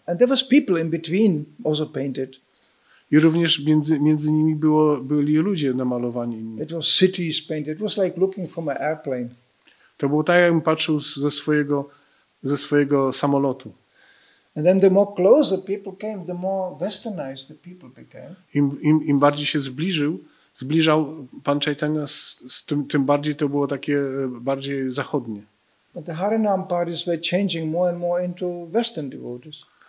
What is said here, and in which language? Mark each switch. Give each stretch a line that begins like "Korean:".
English: And there was people in between also painted.
Polish: I również między nimi byli ludzie namalowani.
English: It was cities painted. It was like looking from an airplane.
Polish: To było tak, jakbym patrzył ze swojego samolotu.
English: And then the more closer people came, the more westernized the people became.
Polish: Im bardziej się zbliżał pan Chaitanya z tym, tym bardziej to było takie bardziej zachodnie.
English: But the Harinam parties were changing more and more into western devotees.